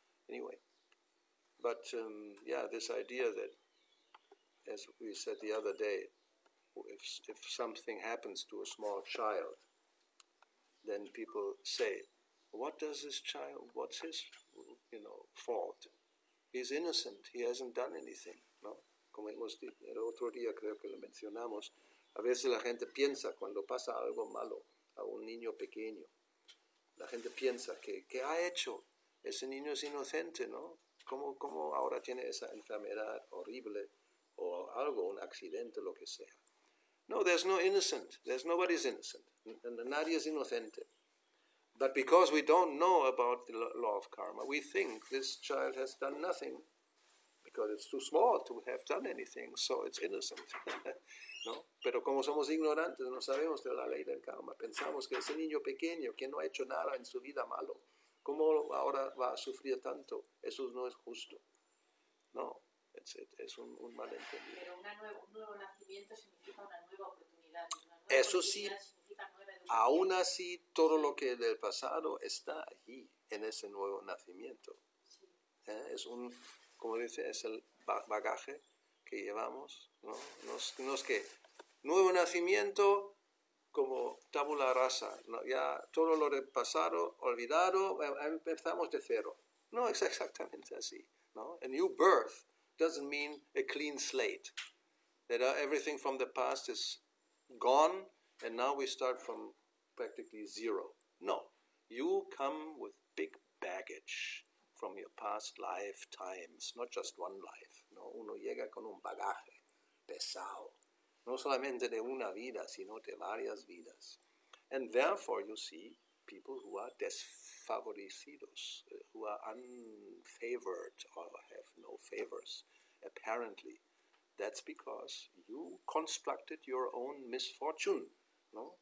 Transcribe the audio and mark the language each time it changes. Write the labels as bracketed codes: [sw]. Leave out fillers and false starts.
[en] Anyway, but this idea that, as we said the other day, if something happens to a small child, then people say, what does this child, what's his, you know, fault? He's innocent, he hasn't done anything, ¿no? [es] Como hemos dicho el otro día, creo que lo mencionamos, a veces la gente piensa cuando pasa algo malo a un niño pequeño, la gente piensa, ¿qué ha hecho? Ese niño es inocente, ¿no? ¿Cómo ahora tiene esa enfermedad horrible o algo, un accidente, lo que sea? [en] No, there's no innocent. There's nobody's innocent. [es] Nadie es inocente. [en] But because we don't know about the law of karma, we think this child has done nothing because it's too small to have done anything, so it's innocent. [es] ¿No? Pero como somos ignorantes, no sabemos de la ley del karma, pensamos que ese niño pequeño que no ha hecho nada en su vida malo, ¿cómo ahora va a sufrir tanto? Eso no es justo. No, es un malentendido. Pero un nuevo nacimiento significa una nueva oportunidad. Eso sí, aún así, todo lo que del pasado está ahí, en ese nuevo nacimiento. Sí. Es un, como dice, es el bagaje que llevamos, ¿no? No es que nuevo nacimiento como tabula rasa, ¿no? Ya todo lo del pasado olvidado, empezamos de cero. No es exactamente así, ¿no? [en] A new birth doesn't mean a clean slate, that everything from the past is gone and now we start from practically zero. No, you come with big baggage from your past lifetimes, not just one life. [es] No, uno llega con un bagaje pesado. no solamente de una vida, sino de varias vidas. [en] And therefore you see people who are desfavorecidos, who are unfavored or have no favors, apparently. That's because you constructed your own misfortune, no?